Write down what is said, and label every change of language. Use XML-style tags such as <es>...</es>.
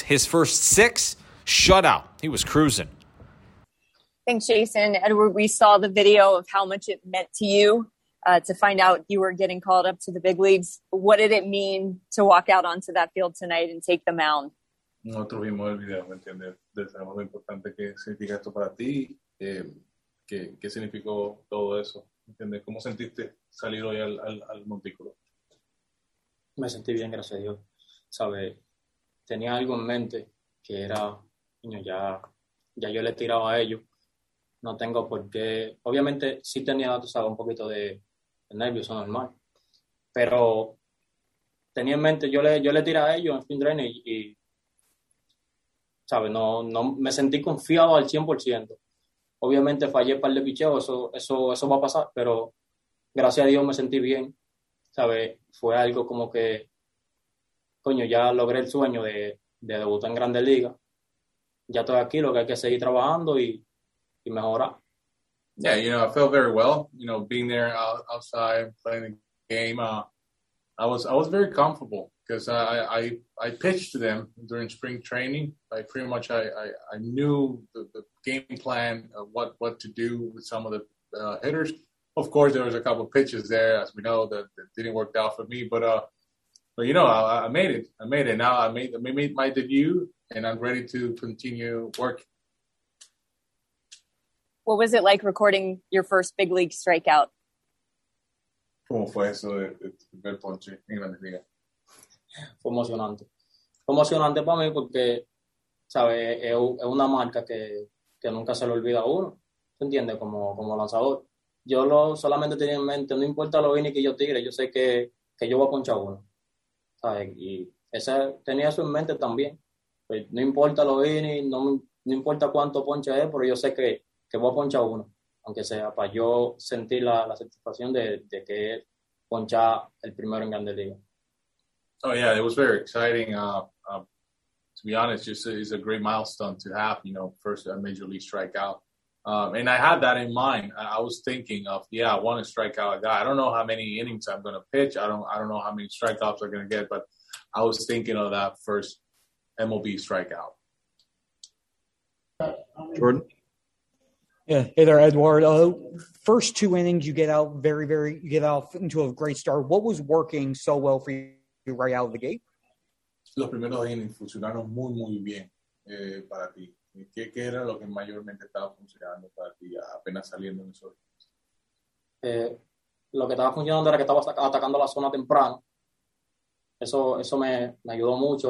<en>His first six shutout. He was cruising. Thanks, Jason. Edward, we saw the video of how much it meant to you to find out you were getting called up to the big leagues. What did it mean to walk out onto that field tonight and take the mound?</en> <es>Nosotros vimos el video, ¿me entiendes? Sabemos lo importante que significa esto para ti, qué significó todo eso, ¿me entiendes? ¿Cómo sentiste salir hoy al montículo? Me sentí bien, gracias a Dios. ¿Sabe? Tenía algo en mente que era, ya yo le he tirado a ellos. No tengo por qué. Obviamente sí tenía, tú sabes, un poquito de nervios, normal. Pero tenía en mente, yo le tiré a ellos en fin de año y ¿sabes? No me sentí confiado al 100%. Obviamente fallé un par de picheos, eso va a pasar, pero gracias a Dios me sentí bien, ¿sabes? Fue algo como que, coño, ya logré el sueño de debutar en Grandes Ligas. Ya estoy aquí, lo que hay que seguir trabajando y mejorar.</es> <en>Yeah, you know, I felt very well, you know, being there outside playing the game. I was very comfortable. Because I pitched to them during spring training. I pretty much knew the game plan of what to do with some of the hitters. Of course, there was a couple of pitches there, as we know, that didn't work out for me. But you know, I made it. I made it. Now I made my debut, and I'm ready to continue working. What was it like recording your first big league strikeout?</en> <es>¿Cómo fue eso de ver ponche en Grandes Ligas? Fue emocionante. Fue emocionante para mí porque, ¿sabes? Es una marca que nunca se le olvida a uno, ¿te entiendes? Como lanzador. Yo lo solamente tenía en mente, no importa lo inning que yo tire, yo sé que yo voy a ponchar uno, ¿sabes? Y esa, tenía eso en mente también. Pues no importa lo inning, no importa cuánto ponche es, pero yo sé que voy a ponchar uno, aunque sea para yo sentir la satisfacción de que ponchar el primero en Grandes Ligas.</es> <en>Oh, yeah, it was very exciting. To be honest, it's a great milestone to have, you know, first a major league strikeout. And I had that in mind. I was thinking of, yeah, I want to strike out a guy. I don't know how many innings I'm going to pitch. I don't know how many strikeouts I'm going to get, but I was thinking of that first MLB strikeout. Jordan? Yeah. Hey there, Edward. First two innings, you get out very, very, you get out into a great start. What was working so well for you right out of the gate?</en> <es>Los primeros innings funcionaron muy, muy bien para ti. ¿Qué era lo que mayormente estaba funcionando para ti apenas saliendo en esos innings? Lo que estaba funcionando era que estaba atacando la zona temprano. Eso me ayudó mucho.</es>